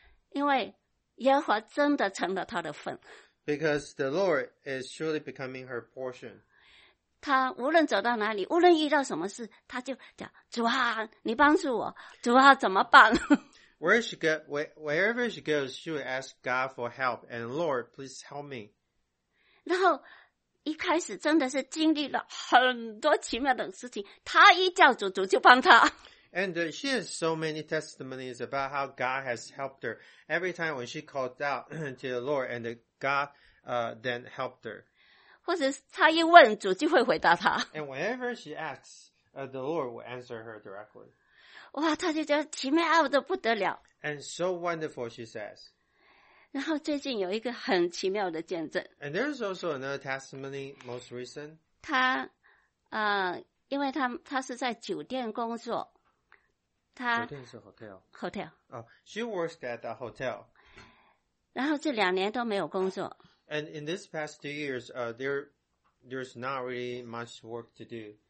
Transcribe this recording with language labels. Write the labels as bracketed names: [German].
[Chinese] 因为耶和华真的成了他的份。 [English] Because the Lord is surely becoming her portion. [Chinese] 他无论走到哪里，无论遇到什么事，他就讲：“主啊，你帮助我，主啊，怎么办？” [English] Where she go, wherever she goes, she will ask God for help and Lord, please help me. [Chinese] 然后一开始真的是经历了很多奇妙的事情，他一叫主，主就帮他。 [English] And she has so many testimonies about how God has helped her every time when she called out to the Lord and God then helped her. [Chinese] 或者他一问，主就会回答他。 [English] And whenever she asks, the Lord will answer her directly. [Chinese] 哇，他就觉得奇妙的不得了。 [English] And so wonderful, she says. [Chinese] 然后最近有一个很奇妙的见证。 [English] And there's also another testimony, most recent. [Chinese] 他因为他是在酒店工作。他酒店是 [English] hotel. She works at a hotel. [Chinese] 然后这两年都没有工作。 [English] And in this past 2 years, there's not really much work to do.